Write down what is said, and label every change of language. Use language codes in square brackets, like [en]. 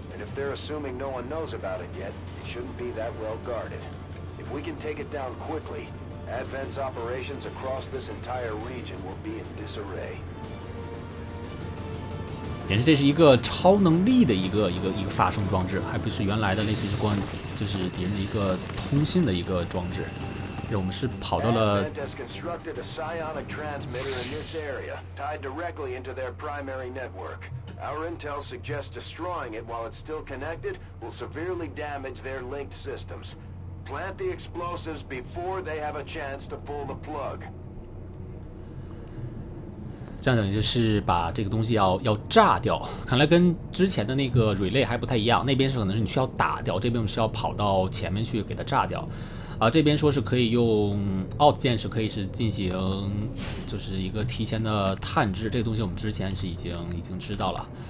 [en] If they're assuming no one knows about it yet, it shouldn't be that well guarded. If we can take it down quickly, Advent's operations across this entire region will be in disarray. [zh] 也是这是一个超能力的一个发送装置，还不是原来的类似于关，就是敌人的一个通信的一个装置。我们是跑到了。 [en] Advent has constructed a psionic transmitter in this area, tied directly into their primary network. Our intel suggests destroying it while it's still connected will severely damage their linked systems. Plant the explosives before they have a chance to pull the plug. [zh] 这样等于就是把这个东西要炸掉。看来跟之前的那个 relay 还不太一样，那边是可能是你需要打掉，这边我们需要跑到前面去给它炸掉。这边说是可以用 Alt 键是可以是进行就是一个提前的探知，这个东西我们之前是已经知道了。